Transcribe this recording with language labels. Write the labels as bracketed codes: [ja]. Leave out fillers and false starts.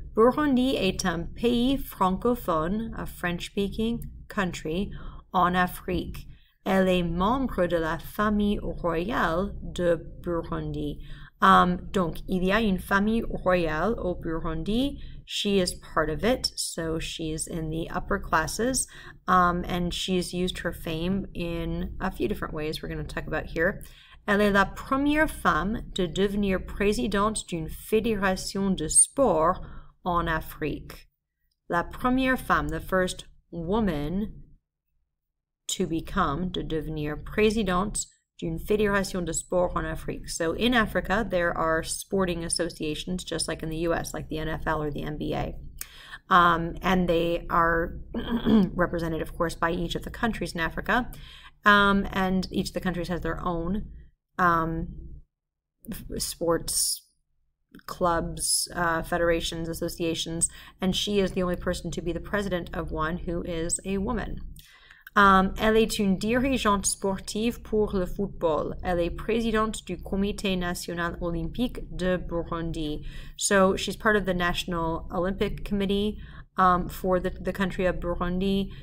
[fr] Burundi est un pays francophone, [en] a French-speaking country, [fr] en Afrique. Elle est membre de la famille royale de Burundi. Donc, il y a une famille royale au Burundi. [en] She is part of it, so she is in the upper classes. And she's used her fame in a few different ways we're going to talk about here. [fr] Elle est la première femme de devenir présidente d'une fédération de sport en Afrique. La première femme, [en] the first woman, to become, [fr] de devenir présidente d'une fédération de sport en Afrique. [en] So in Africa, there are sporting associations, just like in the US, like the NFL or the NBA. And they are represented, of course, by each of the countries in Africa. And each of the countries has their own sports clubs, federations, associations. And she is the only person to be the president of one who is a woman. [fr] Elle est une dirigeante sportive pour le football. Elle est présidente du Comité National Olympique de Burundi. [en] So she's part of the National Olympic Committee for the country of Burundi.